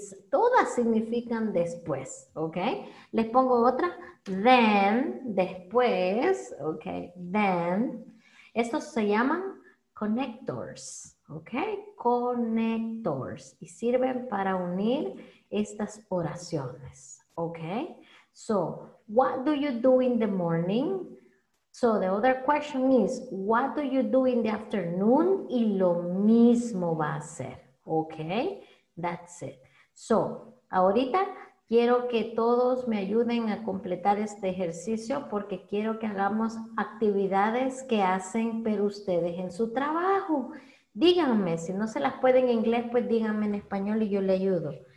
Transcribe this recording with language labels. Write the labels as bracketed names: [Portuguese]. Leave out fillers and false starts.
[Spanish] Todas significan después, ¿ok? Les pongo otra, then, después, ¿ok? Then, estos se llaman connectors, ¿ok? Connectors, y sirven para unir estas oraciones, ¿ok? [English] So, what do you do in the morning? So the other question is, what do you do in the afternoon? [Spanish] Y lo mismo va a ser, okay? [English] That's it. [Spanish] So, ahorita quiero que todos me ayuden a completar este ejercicio porque quiero que hagamos actividades que hacen pero ustedes en su trabajo. Díganme, si no se las pueden en inglés, pues díganme en español y yo le ayudo.